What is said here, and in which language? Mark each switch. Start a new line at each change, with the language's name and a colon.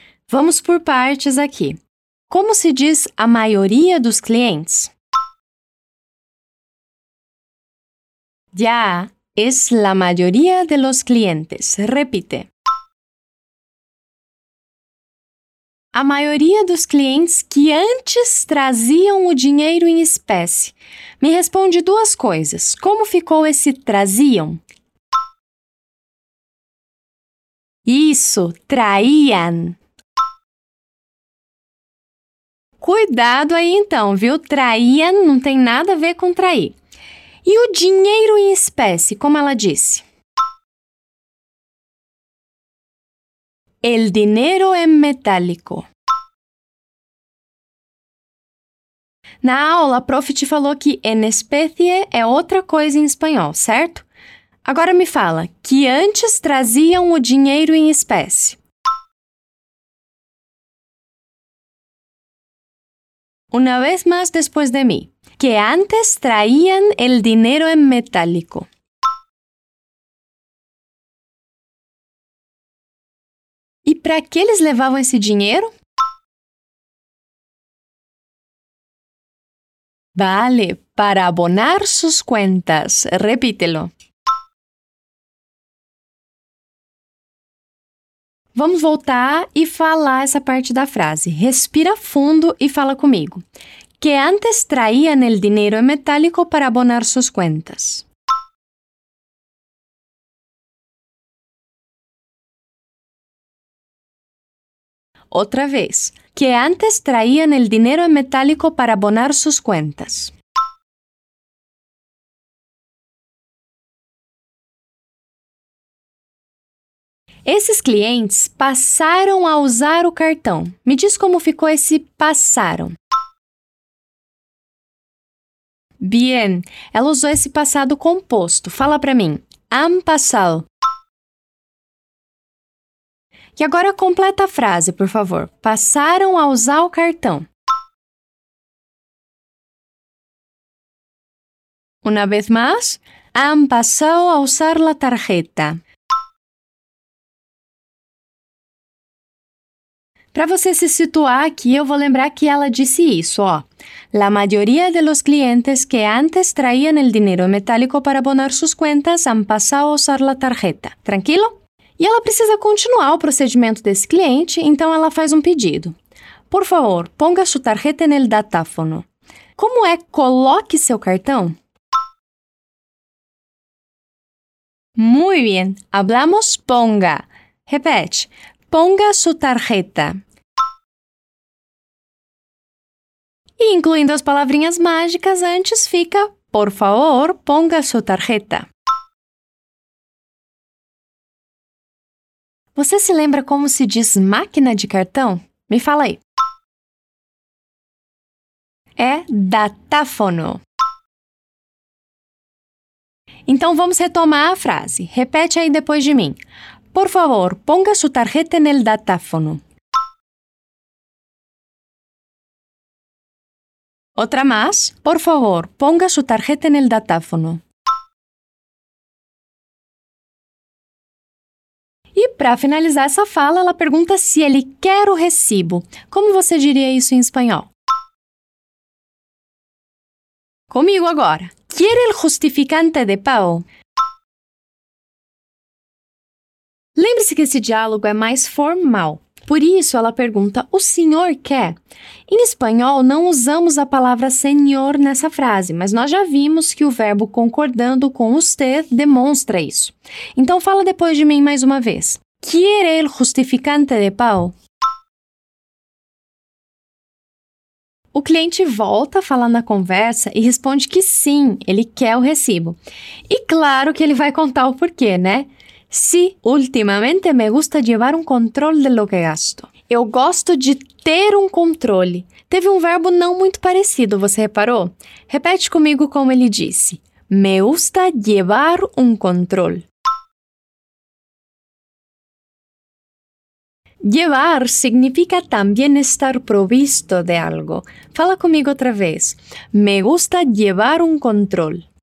Portuguese: Vamos por partes aqui. Como se diz a maioria dos clientes?
Spanish: Ya es la mayoría de los clientes. Repite.
Portuguese: A maioria dos clientes que antes traziam o dinheiro em espécie. Me responde duas coisas. Como ficou esse traziam?
Spanish: Isso, traían.
Portuguese: Cuidado aí então, viu? Traían não tem nada a ver com trair. E o dinheiro em espécie, como ela disse?
Spanish: El dinero en metálico.
Portuguese: Na aula, a prof te falou que en especie é outra coisa em espanhol, certo? Agora me fala, que antes traziam o dinheiro em espécie.
Spanish: Una vez más después de mí. Que antes traían el dinero en metálico.
Portuguese: E para que eles levavam esse dinheiro?
Spanish: Vale, para abonar sus cuentas. Repítelo.
Portuguese: Vamos voltar e falar essa parte da frase. Respira fundo e fala comigo.
Spanish: Que antes traían el dinero en metálico para abonar sus cuentas. Otra vez. Que antes traían el dinero en metálico para abonar sus cuentas.
Portuguese: Esses clientes passaram a usar o cartão. Me diz como ficou esse passaram. Bien, ela usou esse passado composto. Fala para mim.
Spanish: Han pasado.
Portuguese: E agora completa a frase, por favor. Passaram a usar o cartão.
Spanish: Una vez más, han pasado a usar la tarjeta.
Portuguese: Para você se situar aqui, eu vou lembrar que ela disse isso, ó.
Spanish: La mayoría de los clientes que antes traían el dinero metálico para abonar sus cuentas han pasado a usar la tarjeta.
Portuguese: Tranquilo? E ela precisa continuar o procedimento desse cliente, então ela faz um pedido.
Spanish: Por favor, ponga su tarjeta en el datáfono.
Portuguese: Como é coloque seu cartão?
Spanish: Muy bien, hablamos ponga. Repete. Ponga su tarjeta.
Portuguese: E incluindo as palavrinhas mágicas, antes fica por favor,
Spanish: ponga su tarjeta.
Portuguese: Você se lembra como se diz máquina de cartão? Me fala aí. É datáfono. Então vamos retomar a frase. Repete aí depois de mim.
Spanish: Por favor, ponga su tarjeta en el datáfono. Otra más. Por favor, ponga su tarjeta en el datáfono.
Portuguese: E para finalizar essa fala, ela pergunta se ele quer o recibo. Como você diria isso em espanhol? Comigo agora.
Spanish: ¿Quiere el justificante de pago?
Portuguese: Lembre-se que esse diálogo é mais formal. Por isso, ela pergunta, o senhor quer? Em espanhol, não usamos a palavra senhor nessa frase, mas nós já vimos que o verbo concordando com usted demonstra isso. Então, fala depois de mim mais uma vez.
Spanish: ¿Quiere el justificante de pago?
Portuguese: O cliente volta a falar na conversa e responde que sim, ele quer o recibo. E claro que ele vai contar o porquê, né?
Spanish: Sí, últimamente me gusta llevar control de lo que gasto.
Portuguese: Eu gosto de ter controle. Teve verbo não muito parecido, você reparou? Repete comigo como ele disse.
Spanish: Me gusta llevar control. Llevar significa também estar provisto de algo.
Portuguese: Fala comigo outra vez.
Spanish: Me gusta llevar control.